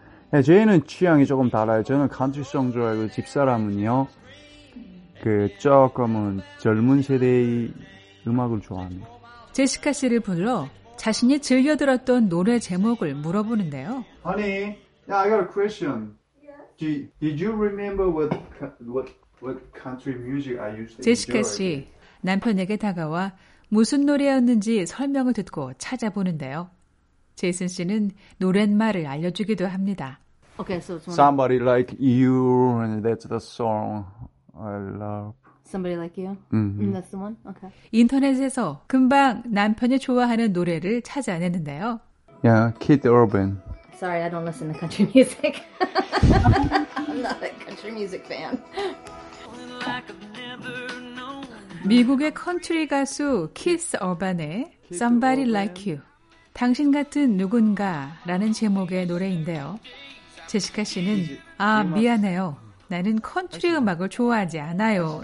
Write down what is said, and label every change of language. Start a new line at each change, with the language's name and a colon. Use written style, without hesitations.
Korean: 네, 저희는 취향이 조금 달라요. 저는 컨트리송 좋아하고 집사람은요, 조금은 젊은 세대의 음악을 좋아합니다. 제시카 씨를 불러 자신이 즐겨 들었던 노래 제목을 물어보는데요.
English: Honey, I got a question. Did you remember what country music I used to
Korean: 제시카
English: enjoy?
Korean: 씨, 남편에게 다가와 무슨 노래였는지 설명을 듣고 찾아보는데요. 제이슨 씨는 노랫말을 알려주기도 합니다.
English: Okay, so Somebody like you, and that's the song I love. Somebody like you? That's the one? Okay.
Korean: 인터넷에서 금방 남편이 좋아하는 노래를 찾아내는데요.
English: Yeah, Keith Urban. Sorry, I don't listen to country music. I'm not a country music fan.
Korean: 미국의 컨트리 가수 키스 어반의 Somebody Like You, 당신 같은 누군가라는 제목의 노래인데요. 제시카 씨는 아, 미안해요. 나는 컨트리 음악을 좋아하지 않아요.